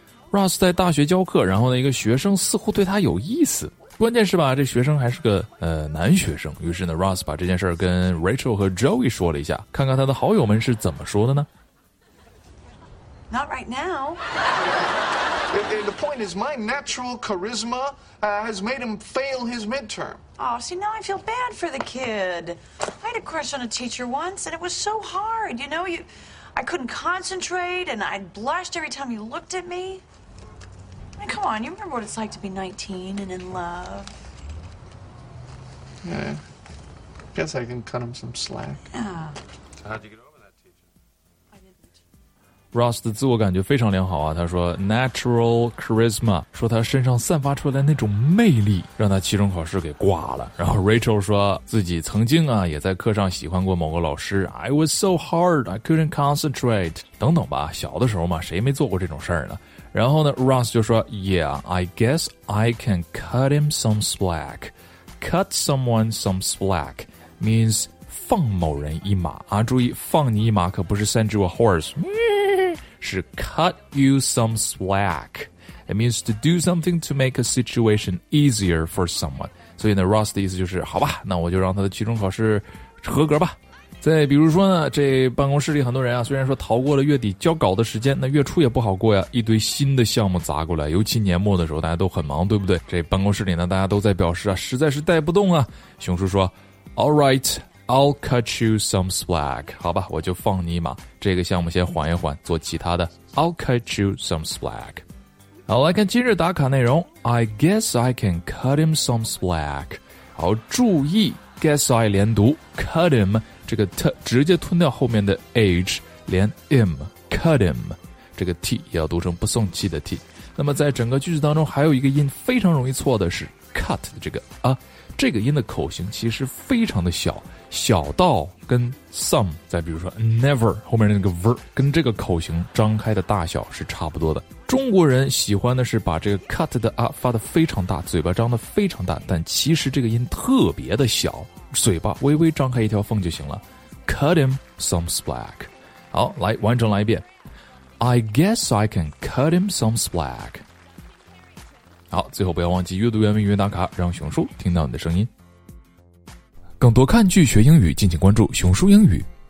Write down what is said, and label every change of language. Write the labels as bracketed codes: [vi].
[zh] Ross 在大学教课，然后呢，一个学生似乎对他有意思。关键是吧，这学生还是个男学生。于是呢 ，Ross 把这件事跟 Rachel 和 Joey 说了一下，看看他的好友们是怎么说的呢 [en] ？Not right now. And the point is, my natural charisma has made him fail his midterm. Oh, see, now I feel bad for the kid. I had a crush on a teacher once, and it was so hard. You know, I couldn't concentrate, and I blushed every time you looked at me. I mean, come on, you remember what it's like to be 19 and in love. Yeah, guess I can cut him some slack. Yeah. So how'd you get over that teacher? I didn't. [zh] Ross 的自我感觉非常良好啊，他说 [en] natural charisma， [zh] 说他身上散发出来的那种魅力让他期中考试给挂了。然后 Rachel 说自己曾经啊也在课上喜欢过某个老师， [en] I was so hard, I couldn't concentrate [zh] 等等吧，小的时候嘛，谁没做过这种事儿呢。然后呢 Ross 就说 [en] Yeah, I guess I can cut him some slack. Cut someone some slack means [zh] 放某人一马啊，注意放你一马可不是 [en] send you a horse，是 cut you some slack. It means to do something to make a situation easier for someone. [zh] 所以呢 Ross 的意思就是好吧，那我就让他的期中考试合格吧。再比如说呢，这办公室里很多人啊，虽然说逃过了月底交稿的时间，那月初也不好过呀，一堆新的项目砸过来，尤其年末的时候大家都很忙，对不对？这办公室里呢，大家都在表示啊，实在是带不动啊。熊叔说 [en] All rightI'll cut you some slack. [zh] 好吧，我就放你一马，这个项目先缓一缓，做其他的。 [en] I'll cut you some slack. [zh] 好，来看今日打卡内容。 [en] I guess I can cut him some slack. [zh] 好，注意 guess I 连读 cut him 这个 t 直接吞掉后面的 h， 连 im cut him 这个 t 也要读成不送气的 t。那么在整个句子当中还有一个音非常容易错的是 cut 的这个啊，这个音的口型其实非常的小，小到跟 some， 再比如说 never 后面那个 ver 跟这个口型张开的大小是差不多的。中国人喜欢的是把这个 cut 的 a 发得非常大，嘴巴张得非常大，但其实这个音特别的小，嘴巴微微张开一条缝就行了。 [en] cut him some slack。 [zh] 好，来完整来一遍。 [en] I guess I can cut him some slack。 [zh] 好，最后不要忘记阅读原文语音打卡，让熊叔听到你的声音。更多看剧学英语，敬请关注熊叔英语